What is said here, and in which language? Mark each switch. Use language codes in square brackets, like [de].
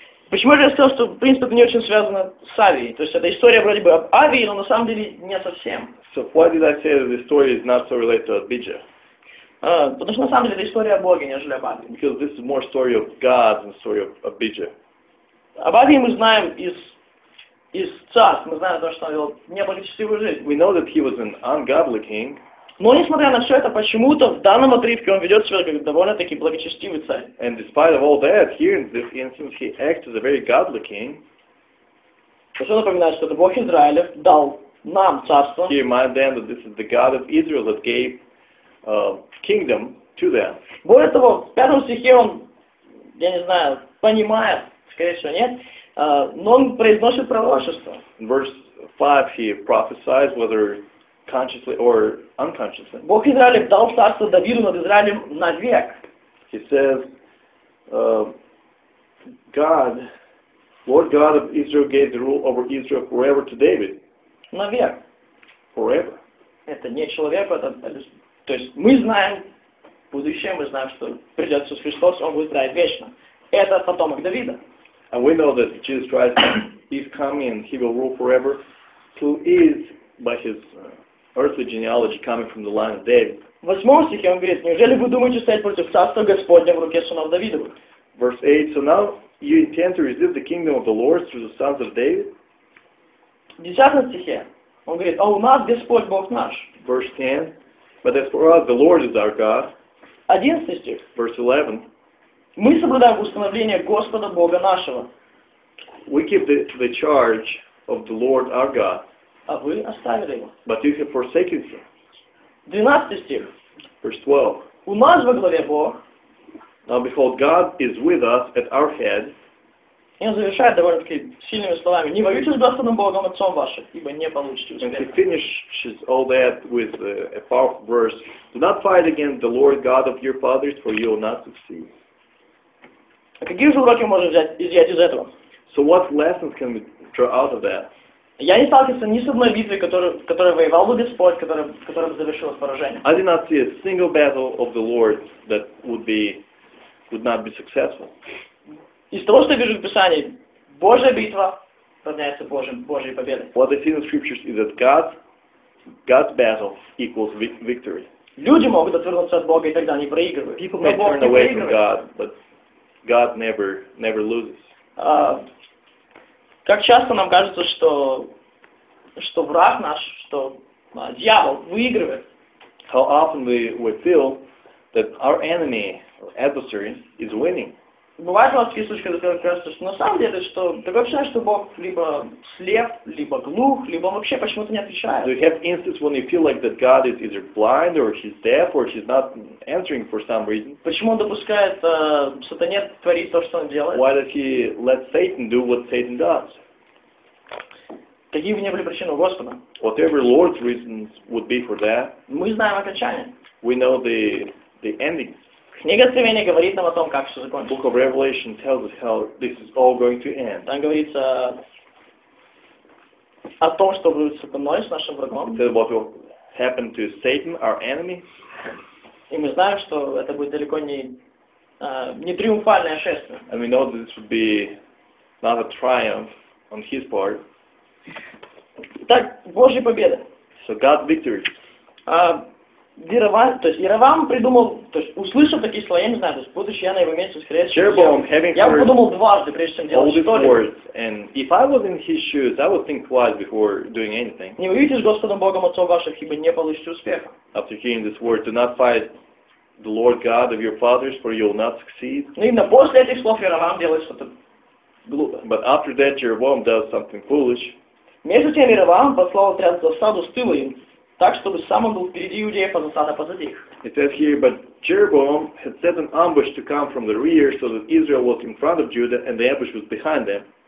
[ru] Почему же я сказал, что, в принципе, это не очень связано с Авией? То есть, это история вроде бы об Авии, но на самом деле не совсем. [en] So, why did I say that the story is not so related to Abijah? [ru] Потому что, на самом деле, это история о Боге, нежели об Авии. [en] Because this is more story of God than story of Abijah. [ru] Об Авии мы знаем из царств. Мы знаем то, что он вел неблагочестивую жизнь. [en] We know that he was an ungodly king. [ru] Но, несмотря на все это, почему-то в данном отрывке он ведет себя как довольно-таки благочестивый царь. [en] And despite of all that, here in this instance, he acts as a very godly king. [ru] То есть он напоминает, что это Бог Израилев дал нам царство. [en] He reminds them that this is the God of Israel that gave kingdom to that. [ru] Более того, в пятом стихе он, я не знаю, понимает, скорее всего, нет, но он произносит пророчество. [en] In verse 5 he prophesies whether consciously or unconsciously. [ru] Бог Израиля дал царство Давиду над Израилем навек. [en] He says, God, Lord God of Israel gave the rule over Israel forever to David. [ru] Навек. [en] Forever. [ru] Это не человек, это... То есть мы знаем будущее, мы знаем, что придет Иисус Христос, Он будет править вечно. Это потомок Давида. [en] And we know that Jesus Christ is coming and He will rule forever. Who is, by His earthly genealogy, coming from the line of David. [ru] В 8 стихе он говорит, неужели вы думаете стоять против царства Господня в руке сынов Давидовых? [en] Verse 8, so now you intend to resist the kingdom of the Lord through the sons of David? [ru] В 10 стихе он говорит, а у нас Господь Бог наш. [en] Verse 10, but as for us, the Lord is our God. [ru] 11 стих. [en] Verse 11, [ru] мы соблюдаем установление Господа Бога нашего. [en] We keep the charge of the Lord our God. [ru] А вы оставили его. [en] But you have forsaken him. [ru] 12 стих. [en] Verse 12. [ru] У нас во главе Бог. [en] Now behold, God is with us at our head. [ru] И он завершает довольно-таки сильными словами. Не воюйте с Господом Богом Отцом вашим, ибо не получите успеха. [en] And he finishes all that with a powerful verse. Do not fight against the Lord God of your fathers, for you will not succeed. [ru] А какие же уроки можно взять из этого? [en] So what lessons can we draw out of that? [ru] Я не сталкивался ни с одной битвой, которая воевал бы Господь, которая завершилась поражением. [en] I did not see a single battle of the Lord that would not be successful. [ru] Из того, что я вижу в Писании, Божья битва равняется Божьей победе. [en] What I see in the scriptures is that God's battle equals victory. [ru] Люди могут отвернуться от Бога и тогда не проигрывают. [en] People may turn away from God, but God never loses. [ru] Как часто нам кажется, что враг наш, что дьявол выигрывает? [en] How often we feel that our enemy or adversary is winning? [ru] Бывает у нас такие случаи, когда кажется, что на самом деле, что такое ощущение, что Бог либо слеп, либо глух, либо он вообще почему-то не отвечает. [en] Do you have instances when you feel like that God is either blind or he's deaf or he's not answering for some reason? [ru] Почему он допускает сатане творить то, что он делает? [en] Why does he let Satan do what Satan does? [ru] Какие бы ни были причины у Господа? [en] Whatever Lord's reasons would be for that. [ru] Мы знаем окончание. [en] We know the endings. [ru] Книга Откровения говорит нам о том, как все закончится. [en] Book of Revelation tells us how this is all going to end. [ru] Там говорится о том, что будет с сатаной, с нашим врагом. [en] It says what will happen to Satan, our enemy. [ru] И мы знаем, что это будет далеко не триумфальное шествие. [en] And we know that this would be not a triumph on his part. [ru] Так, Божья победа. [en] So God's victory. [ru] Иеровоам, то есть Иеровоам придумал, то есть услышав такие слова, я не знаю, то есть будучи я на его месте, скорее всего, я бы подумал дважды, прежде чем делать что-либо. [en] And if I was in his shoes, I would think twice before doing anything. [ru] Не воюйте с Господом Богом Отцом ваших, ибо не получите успеха. [en] After hearing this word, do not fight the Lord God of your fathers, for you will not succeed. [ru] Но именно после этих слов Иеровоам делает что-то глупое. [en] But after that, Jeroboam does something foolish. [ru] Между тем Иеровоам послал отряд за саду с тыла им. Так, чтобы сам он был впереди иудеев, а засада позади их. [en] It says here, but Jeroboam had set an ambush to come from the rear, so that Israel was in front of Judah, and the ambush was behind them.